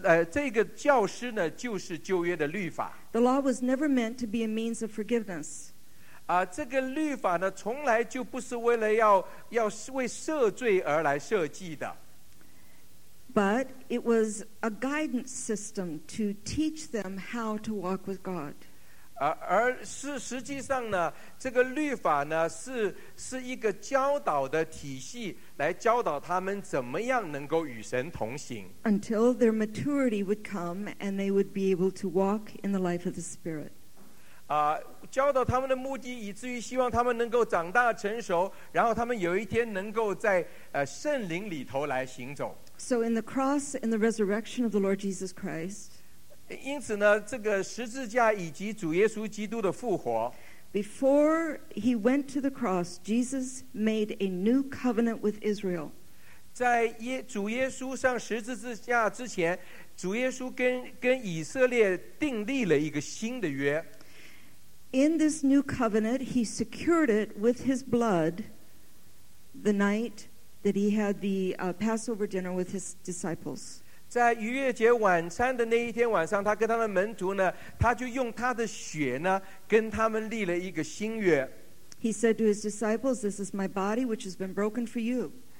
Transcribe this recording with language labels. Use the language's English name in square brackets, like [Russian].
[Chinese] 这个教师呢，就是旧约的律法。 [English] The law was never meant to be a means of forgiveness. [Chinese] 这个律法呢，从来就不是为了要为赦罪而来设计的。 [English] But it was a guidance system to teach them how to walk with God. [Chinese] 而是实际上呢，这个律法呢，是一个教导的体系。来教导他们怎么样能够与神同行。 [English] Until their maturity would come and they would be able to walk in the life of the Spirit. [Chinese] 教导他们的目的，以至于希望他们能够长大成熟，然后他们有一天能够在圣灵里头来行走。 [English] So in the cross and the resurrection of the Lord Jesus Christ. [Chinese] 因此呢，这个十字架以及主耶稣基督的复活。 [English] Before he went to the cross, Jesus made a new covenant with Israel. [Chinese] 在主耶稣上十字架之前，主耶稣跟以色列订立了一个新的约。 [English] In this new covenant, he secured it with his blood the night that he had the Passover dinner with his disciples. [Chinese] 在逾越节晚餐的那一天晚上，他跟他的门徒呢，他就用他的血呢跟他们立了一个新约。 [English] He said to his disciples, "This is my body, which has been broken for you."